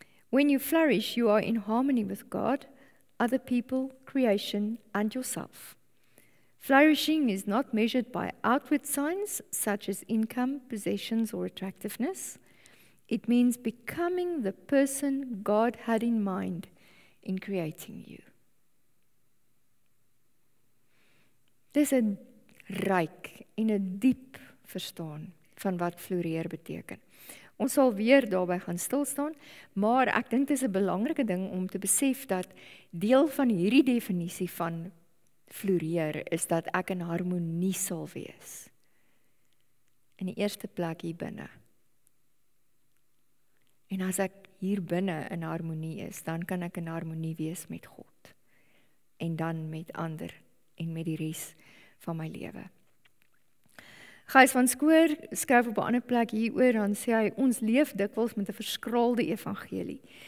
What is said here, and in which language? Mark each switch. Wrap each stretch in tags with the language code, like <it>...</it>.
<en>When you flourish, you are in harmony with God, other people, creation, and yourself. Flourishing is not measured by outward signs such as income, possessions, or attractiveness. It means becoming the person God had in mind in creating you."</en> <af>Dis 'n ryk en 'n diep verstaan van wat floreer beteken. Ons sal weer daarby gaan stilstaan, maar ek dink dis 'n belangrike ding om te besef dat deel van hierdie definisie van floreer is dat ek in harmonie sal wees. In die eerste plek hier binne. En as ek hier binne in harmonie is, dan kan ek in harmonie wees met God. En dan met ander en met die res van my lewe. Gys van Skoor skryf op 'n ander plek hieroor, dan sê hy, ons leef dikwels met 'n verskraalde evangelie.</af>